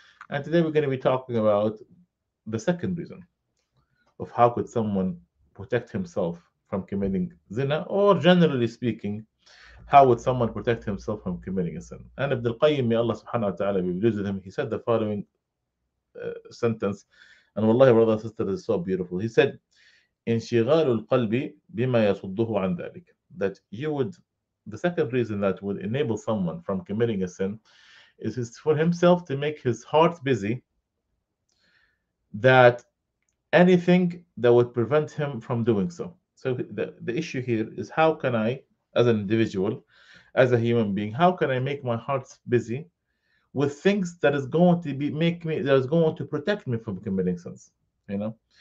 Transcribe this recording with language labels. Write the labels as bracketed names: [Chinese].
[English] And today we're going to be talking about the second reason of how could someone protect himself from committing zina, or generally speaking, how would someone protect himself from committing a sin. And Ibn al-Qayyim, may Allah subhanahu wa ta'ala be pleased with him, he said the following sentence, and wallahi, brother and sister, is so beautiful. [Arabic] He said, انشغال القلب بما يصده عن ذلك. [English] That you would, the second reason that would enable someone from committing a sin is for himself to make his heart busy that anything that would prevent him from doing so. So the issue here is, how can I, as an individual, as a human being, how can I make my heart busy with things that is going to be make me, that is going to protect me from committing sins, you know?